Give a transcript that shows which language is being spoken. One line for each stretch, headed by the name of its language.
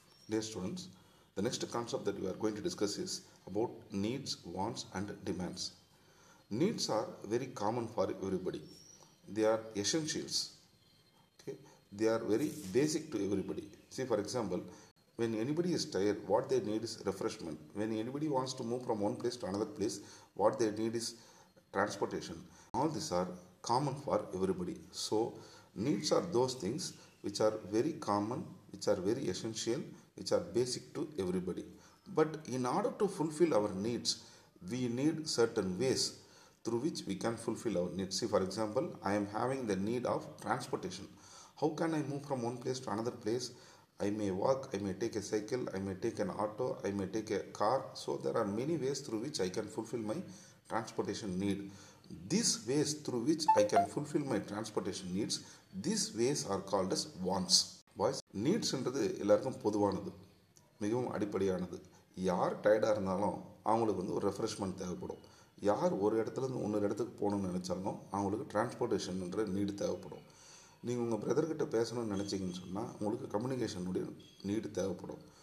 English: Dear students, the next concept that you are going to discuss is about needs, wants and demands. Needs are very common for everybody, they are essentials. Okay, they are very basic to everybody. See for example, When anybody is tired, what they need is refreshment. When anybody wants to move from one place to another place, what they need is transportation. All these are common for everybody. So needs are those things which are very common, which are very essential, which are basic to everybody. But in order to fulfill our needs, we need certain ways through which we can fulfill our needs. See, for example, I am having the need of transportation. How can I move from one place to another place? I may walk, I may take a cycle, I may take an auto, I may take a car. So there are many ways through which I can fulfill my transportation need. These ways through which I can fulfill my transportation needs, these ways are called as wants.
Tamil: Boys, needs என்றது எல்லாருக்கும் பொதுவானது, மிகவும் அடிப்படையானது. யார் டயர்டாக இருந்தாலும் அவங்களுக்கு வந்து ஒரு ரெஃப்ரெஷ்மெண்ட் தேவைப்படும். யார் ஒரு இடத்துலேருந்து இன்னொரு இடத்துக்கு போகணும்னு நினச்சாலும் அவங்களுக்கு டிரான்ஸ்போர்ட்டேஷன்ன்ற நீடு தேவைப்படும். நீங்கள் உங்கள் பிரதர்கிட்ட பேசணும்னு நினச்சிங்கன்னு சொன்னால் உங்களுக்கு கம்யூனிகேஷனுடைய நீடு தேவைப்படும்.